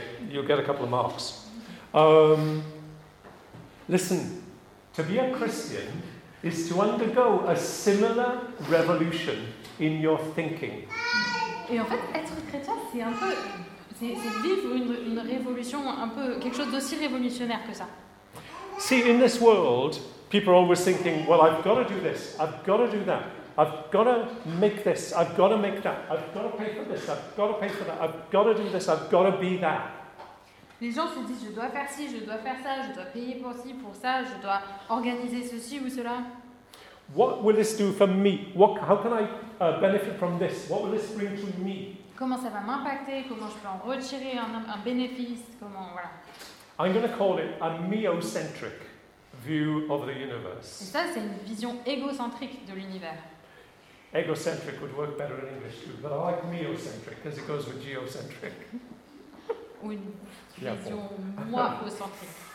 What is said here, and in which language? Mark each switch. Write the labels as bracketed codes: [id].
[en] You'll get a couple of marks. Listen, to be a Christian is to undergo a similar revolution in your thinking. [fr] Et en fait, être chrétien, c'est un peu, c'est vivre une révolution, un peu quelque chose d'aussi révolutionnaire que ça. [en] See, in this world, people are always thinking, well, I've got to do this, I've got to do that, I've got to make this, I've got to make that, I've got to pay for this, I've got to pay for that, I've got to do this, I've got to be that. [fr] Les gens se disent, je dois faire ci, je dois faire ça, je dois payer pour ci, pour ça, je dois organiser ceci ou cela. [en] What will this do for me? How can I benefit from this? What will this bring to me? [fr] Comment ça va m'impacter? Comment je peux en retirer un bénéfice? Comment, voilà. [en] I'm going to call it a meocentric view of the universe. [fr] Et ça, c'est une vision égocentrique de l'univers. [en] Egocentric would work better in English too, but I like meocentric because it goes with geocentric. [fr] Ou une vision moi-centrique.